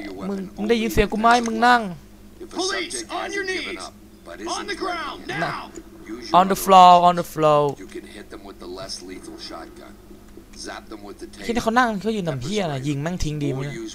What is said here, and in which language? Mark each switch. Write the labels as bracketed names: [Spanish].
[Thai] มึงได้ยินเสียงกูไหมมึงนั่ง [English] Police on your knees. On the ground now. On the floor. You can hit them with the less lethal shotgun. Zap them with the tail. [Thai] ที่เขานั่งเขายืนนำพี่อะไรยิงแม่งทิ้งดีมั้ย